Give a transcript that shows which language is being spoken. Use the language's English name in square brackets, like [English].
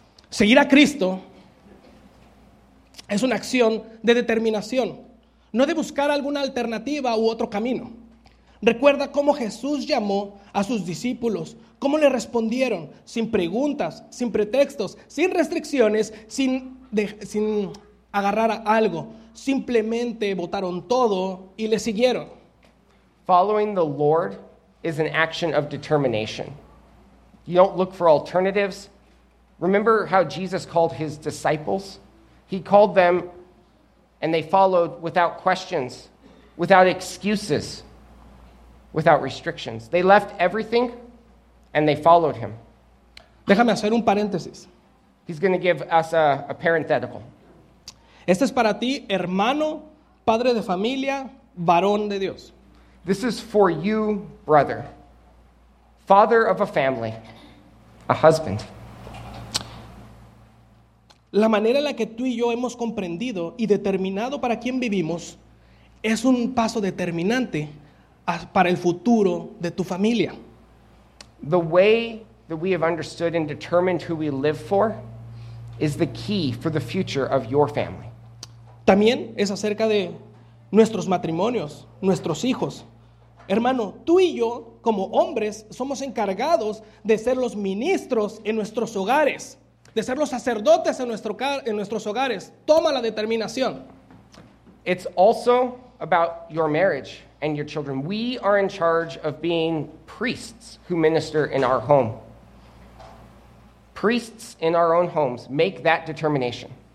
[Spanish] Seguir a Cristo es una acción de determinación, no de buscar alguna alternativa u otro camino. Recuerda cómo Jesús llamó a sus discípulos, cómo le respondieron, sin preguntas, sin pretextos, sin restricciones, sin agarrar a algo. Simplemente botaron todo y le siguieron. [English] Following the Lord is an action of determination. You don't look for alternatives. Remember how Jesus called his disciples? He called them and they followed without questions, without excuses, without restrictions. They left everything and they followed him. [Spanish] Déjame hacer un paréntesis. [English] He's going to give us a parenthetical. [Spanish] Este es para ti, hermano, padre de familia, varón de Dios. [English] This is for you, brother, father of a family, a husband. [Spanish] La manera en la que tú y yo hemos comprendido y determinado para quién vivimos es un paso determinante para el futuro de tu familia. [English] The way that we have understood and determined who we live for is the key for the future of your family. [Spanish] También es acerca de nuestros matrimonios, nuestros hijos. Hermano, tú y yo, como hombres, somos encargados de ser los ministros en nuestros hogares, de ser los sacerdotes en nuestros hogares. Toma la determinación. [English] It's also about your marriage and your children. We are in charge of being priests who minister in our home. Priests in our own homes, make that determination.